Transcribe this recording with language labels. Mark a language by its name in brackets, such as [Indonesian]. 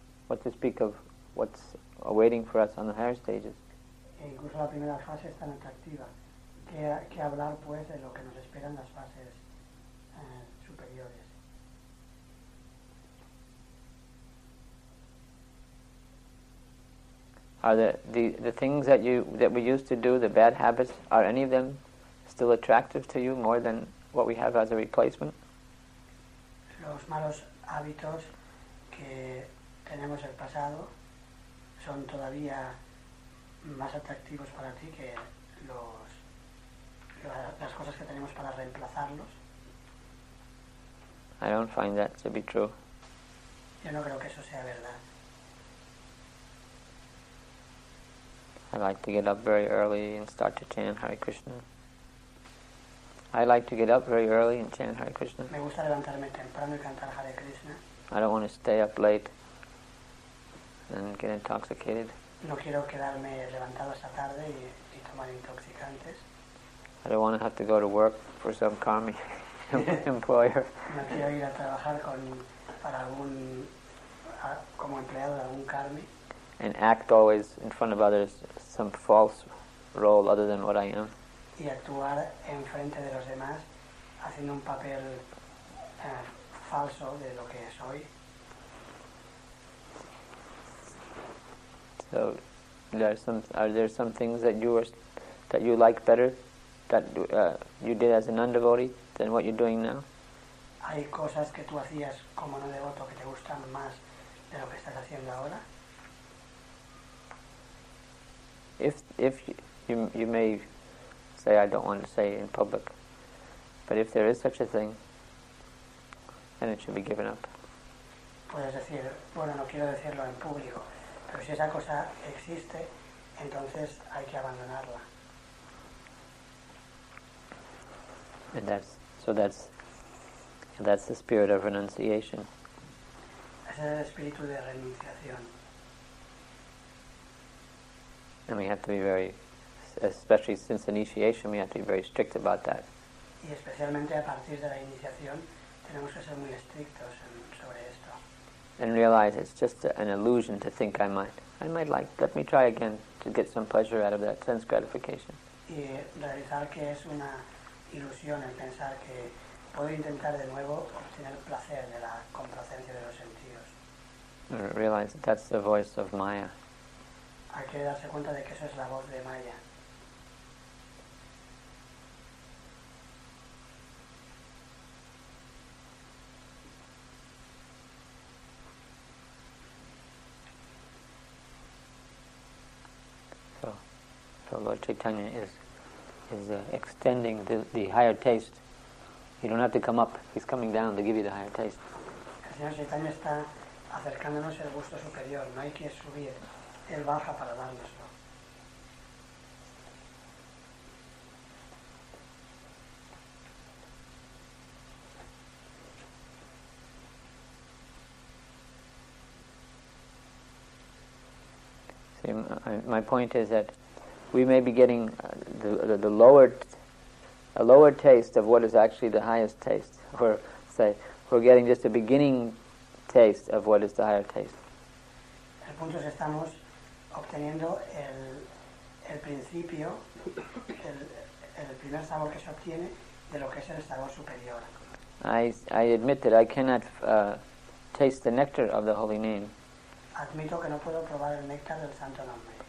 [English] What to speak of what's awaiting for us on the higher stages. [Spanish] Incluso la primera fase es tan atractiva que hablar pues de lo que nos esperan las fases superiores. [English] Are the things that we used to do, the bad habits, are any of them still attractive to you more than what we have as a replacement? [Spanish] Los malos hábitos que tenemos el pasado son todavía más atractivos para ti que las cosas que tenemos para reemplazarlos. [English] I don't find that to be true. [Spanish] Yo no creo que eso sea verdad. [English] I like to get up very early and start to chant Hare Krishna. I like to get up very early and chant Hare Krishna. [Spanish] Me gusta levantarme temprano y cantar Hare Krishna. [English] I don't want to stay up late and get intoxicated. [Spanish] No quiero quedarme levantado hasta tarde y tomar intoxicantes. [English] I don't want to have to go to work for some karmic employer. [Spanish] No quiero ir a trabajar como empleado de algún karmic. [English] And act always in front of others some false role other than what I am. [Spanish] y actuar en frente de los demás haciendo un papel falso de lo que soy. [English] So, are there some things that you were, that you like better, that you did as a non-devotee than what you're doing now? [Spanish] Hay cosas que tú hacías como no devoto que te gustan más de lo que estás haciendo ahora. [English] If you may say, I don't want to say it in public, but if there is such a thing, then it should be given up. [Spanish] Puedes decir, bueno, no quiero decirlo en público. Pero si esa cosa existe, entonces hay que abandonarla. [English] And that's, so that's the spirit of renunciation. [Spanish] Ese es el espíritu de renunciación. [English] And we have to be very, especially since initiation, we have to be very strict about that. [Spanish] Y especialmente a partir de la iniciación, tenemos que ser muy estrictos en, sobre esto. [English] And realize it's just an illusion to think I might like, let me try again to get some pleasure out of that sense gratification. [Spanish] Y realizar que es una ilusión el pensar que puedo intentar de nuevo obtener placer de la complacencia de los sentidos. [English] And realize that that's the voice of Maya. [Spanish] Hay que darse cuenta de que eso es la voz de Maya. [English] So Lord Chaitanya is extending the higher taste. You don't have to come up. He's coming down to give you the higher taste. [Spanish] El Señor Chaitanya está acercándonos el gusto superior. No hay que subir. Él baja para dárnoslo. [English] See, my point is that we may be getting a lower taste of what is actually the highest taste, or say we're getting just a beginning taste of what is the higher taste. [Spanish] El punto es que estamos obteniendo el principio, el primer sabor que se obtiene de lo que es el sabor superior. [English] I admit that I cannot taste the nectar of the holy name. [Spanish] Admito que no puedo probar el néctar del santo nombre.